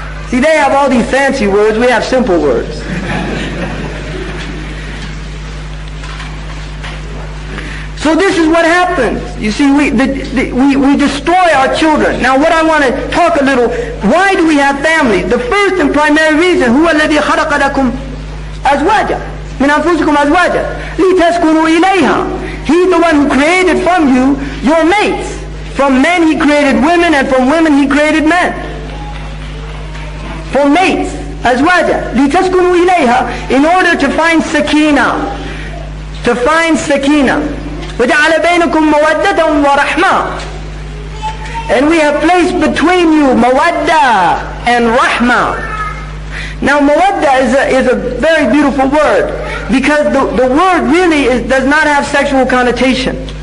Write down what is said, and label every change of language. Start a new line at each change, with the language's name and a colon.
English: See, they have all these fancy words, we have simple words. So this is what happens. You see, we destroy our children. Now what I want to talk a little, why do we have families? The first and primary reason,
Arabic: هُوَ الَّذِي خَلَقَ لَكُمْ أَزْوَاجًا مِنْ أَنفُسِكُمْ أَزْوَاجًا لِتَسْكُنُوا إِلَيْهَا.
English: He's the one who created from you your mates. From men He created women, and from women He created men. For mates,
Arabic: أَزْوَاجًا لِتَسْكُنُوا إِلَيْهَا.
English: In order to find sakina, to find sakina.
Arabic: وَجَعَلَ بَيْنَكُمْ مَوَدَّةً وَرَحْمَةً.
English: And we have placed between you mawadda and rahma. Now mawadda is a very beautiful word, because the word really does not have sexual connotation.